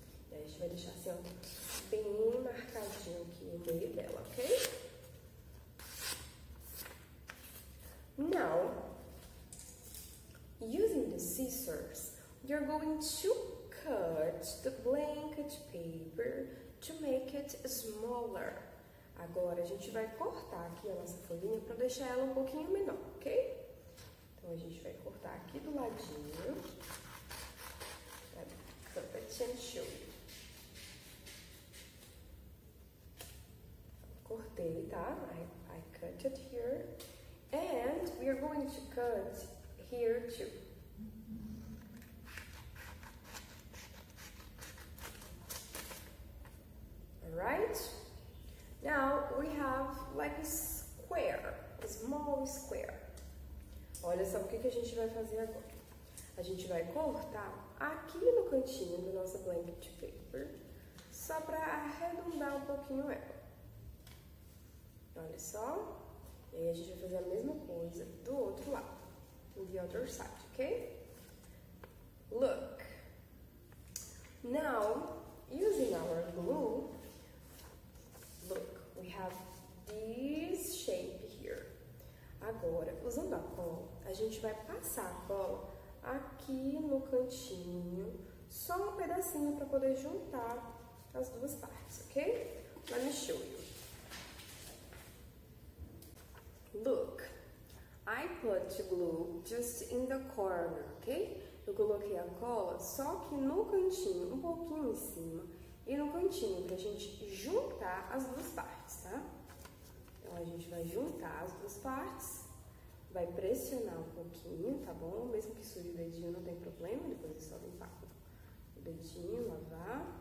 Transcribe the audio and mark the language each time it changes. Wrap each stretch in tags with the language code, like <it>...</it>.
<pt>E a gente vai deixar assim, ó, bem marcadinho aqui no meio dela, ok?</pt> <en>Now, using the scissors, you're going to cut the blanket paper to make it smaller.</en> <pt>Agora, a gente vai cortar aqui a nossa folhinha para deixar ela um pouquinho menor, ok? Então, a gente vai cortar aqui do ladinho.</pt> <en>Let me cut it and show you.</en> <pt>Cortei, tá?</pt> <en>I cut it here. And we are going to cut here too. Alright? Now, we have like a square. A small square.</en> <pt>Olha só o que a gente vai fazer agora. A gente vai cortar aqui no cantinho do nosso blanket paper, só para arredondar um pouquinho ela. Olha só. E aí a gente vai fazer a mesma coisa do outro lado.</pt> <en>The other side, ok? Look. Now, using our glue, look, we have this shape here.</en> <pt>Agora, usando a cola, a gente vai passar a cola aqui no cantinho, só um pedacinho para poder juntar as duas partes, ok?</pt> <en>Let me show you. Look, I put glue just in the corner, ok?</en> <pt>Eu coloquei a cola só que no cantinho, um pouquinho em cima, e no cantinho para a gente juntar as duas partes, tá? Então, a gente vai juntar as duas partes. Vai pressionar um pouquinho, tá bom? Mesmo que suje o dedinho, não tem problema. Depois é só limpar com o dedinho, lavar.</pt>